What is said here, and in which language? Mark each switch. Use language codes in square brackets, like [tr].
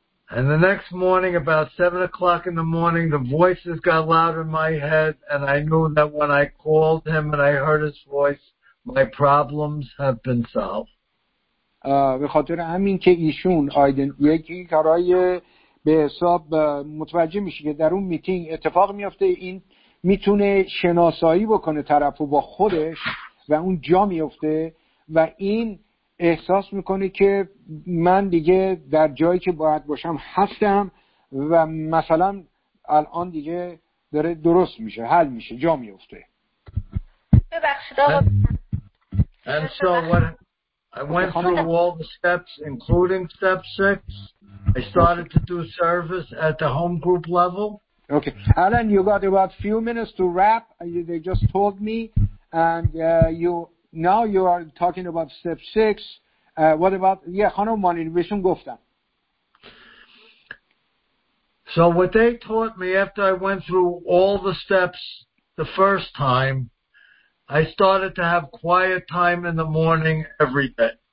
[en] And the next morning, about 7 o'clock in the morning, the voices got louder in my head, and I knew that when I called him and I heard his voice, my problems have been solved. [fa] به خاطر همین که ایشون آیدن یکی کارهای به حساب متوجه میشه که در اون میتینگ اتفاق میفته، این میتونه شناسایی بکنه طرفو با خودش و اون جا میفته و این احساس میکنه که من دیگه در جایی که باید باشم هستم و مثلا الان دیگه داره درست میشه، حل میشه، جا میفته. ببخشید آقا. [en] And so what I went through all the steps including step 6. I started to do service at the home group level. Okay. Alan, you got about a few minutes to wrap. They just told me and now you are talking about step 6. What about [fa] خانم مانین بهشون گفتم. [en] So what they taught me after I went through all the steps the first time, I started to have quiet time in the morning every day.